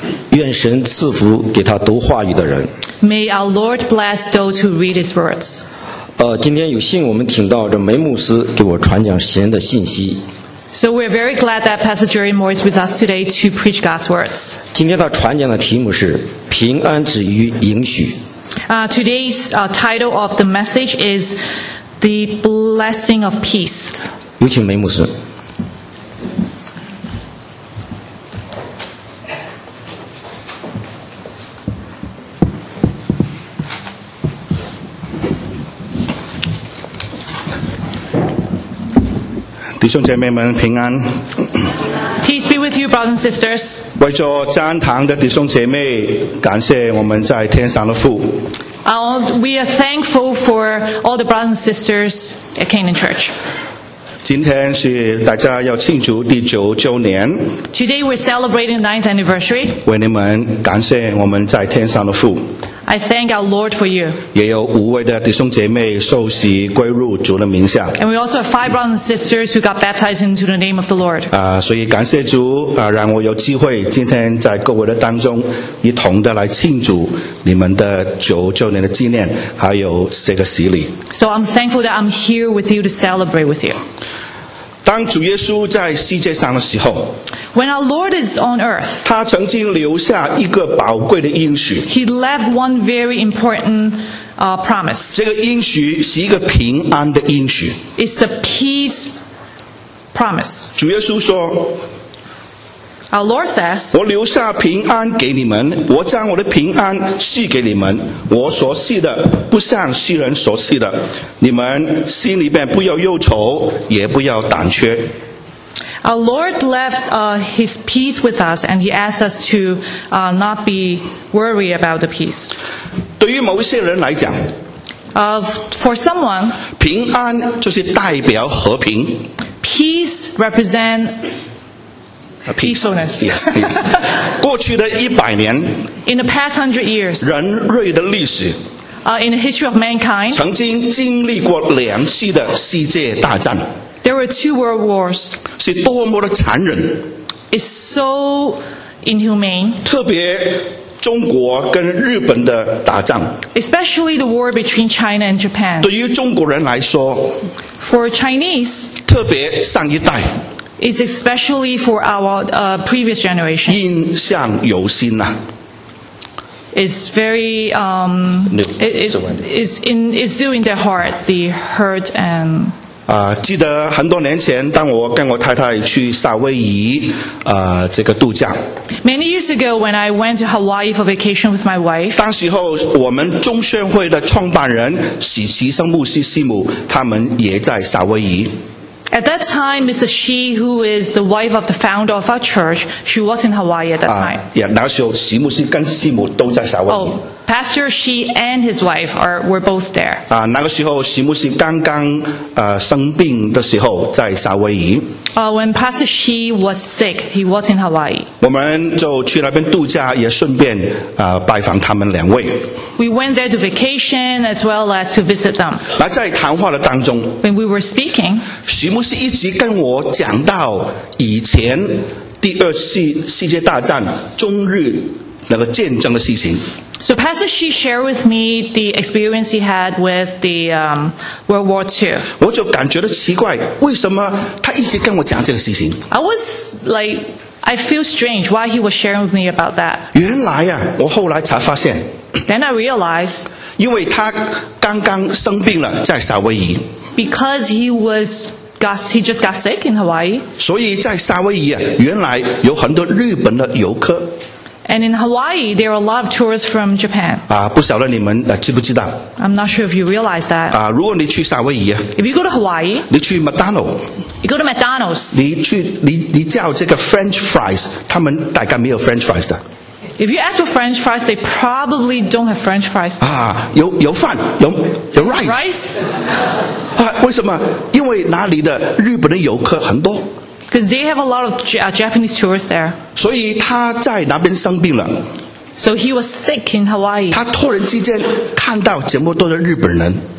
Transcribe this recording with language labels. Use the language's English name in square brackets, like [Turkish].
[Chinese] 愿神赐福给他读话语的人。 [English] May our Lord bless those who read his words. [Chinese] 今天有幸我们听到这梅牧师给我传讲神的信息。 [English] So we're very glad that Pastor Jerry Moore is with us today to preach God's words. [Chinese] 今天他传讲的题目是平安止于应许。 [English] Today's title of the message is The Blessing of Peace. [Chinese] 有请梅牧师。弟兄姐妹们平安。 [English] Peace be with you, brothers and sisters. [Chinese] 为着赞堂的弟兄姐妹，感谢我们在天上的父。 [English] We are thankful for all the brothers and sisters at Canaan Church. [Chinese] 今天是大家要庆祝第九周年。 [English] Today we're celebrating the 9th anniversary. [Chinese] 为你们感谢我们在天上的父。 [English] I thank our Lord for you. [Chinese] 也有五位的弟兄姐妹受洗归入主的名下。 [English] And we also have five brothers and sisters who got baptized into the name of the Lord. [Chinese] 所以感谢主，让我有机会今天在各位的当中一同的来庆祝你们的九周年的纪念，还有这个洗礼。 [English] So I'm thankful that I'm here with you to celebrate with you. [Chinese] 当主耶稣在世界上的时候。 [English] When our Lord is on earth, [Chinese] 他曾经留下一个宝贵的应许。 [English] He left one very important promise. [Chinese] 这个应许是一个平安的应许。 [English] It's the peace promise. [Chinese] 主耶稣说， [English] Our Lord says, [Chinese] 我留下平安给你们，我将我的平安赐给你们，我所赐的不像世人所赐的，你们心里面不要忧愁，也不要胆怯。 [English] Our Lord left His peace with us, and He asked us to not be worried about the peace. [Chinese] 对于某些人来讲， [English] For someone, [Chinese] 平安就是代表和平。 [English] Peace represents peacefulness. Yes, yes. [Chinese] 过去的一百年， [English] In the past 100 years, [Chinese] 人类的历史， [English] In the history of mankind, [Chinese] 曾经经历过两次的世界大战。 [English] There were two world wars. [Chinese] 是多么的残忍。 [English] It's so inhumane. [Chinese] 特别中国跟日本的打仗。 [English] Especially the war between China and Japan. [Chinese] 对于中国人来说。 [English] For Chinese. [Chinese] 特别上一代。 [English] It's especially for our previous generation. [Chinese] 印象犹新啊。 [English] It's very it's still in their heart, the hurt and... [Chinese] 记得很多年前当我跟我太太去夏威夷这个度假。 [English] Many years ago when I went to Hawaii for vacation with my wife. [Chinese] 当时候我们中宣会的创办人许其生牧师师母他们也在夏威夷。 [English] At that time, Mrs. Shi, who is the wife of the founder of our church, she was in Hawaii at that time. [Chinese] Yeah, 那时候史牧师跟师母都在夏威夷。 [English] Pastor Shi and his wife were both there. [Chinese] 那个时候史牧师刚刚生病的时候在夏威夷。 [English] When Pastor Shi was sick, he was in Hawaii. [Chinese] 我们就去那边度假，也顺便拜访他们两位。 [English] We went there to vacation as well as to visit them. [Chinese] 那在谈话的当中 [English] ，When we were speaking, [Chinese] 史牧师一直跟我讲到以前第二次世界大战中日那个战争的事情。 [English] So Pastor Shi shared with me the experience he had with the World War II. [Chinese] 我就感觉到奇怪，为什么他一直跟我讲这个事情 [English] ？I was like, I feel strange why he was sharing with me about that. [Chinese] 原来呀，我后来才发现。 [English] Then I realized. [Chinese] 因为他刚刚生病了，在夏威夷。 [English] Because he just got sick in Hawaii. [Chinese] 所以在夏威夷啊，原来有很多日本的游客。 [English] And in Hawaii, there are a lot of tourists from Japan. [Chinese] 不晓得你们知不知道 [English] ？I'm not sure if you realize that. [Chinese] 如果你去夏威夷 [English] ，If you go to Hawaii， [Chinese] 你去麦当劳 [English] ，You go to McDonald's。 [Chinese] 你叫这个 French fries， 他们大概没有 French fries 的。 [English] If you ask for French fries, they probably don't have French fries. [Chinese] 有饭，有 rice。 [English] Rice？ [Chinese] 为什么？因为那里的日本的游客很多。 [English] Because they have a lot of Japanese tourists there. [Chinese] 所以他在那边生病了。 [English] So he was sick in Hawaii. [Chinese] 他突然之间看到这么多的日本人。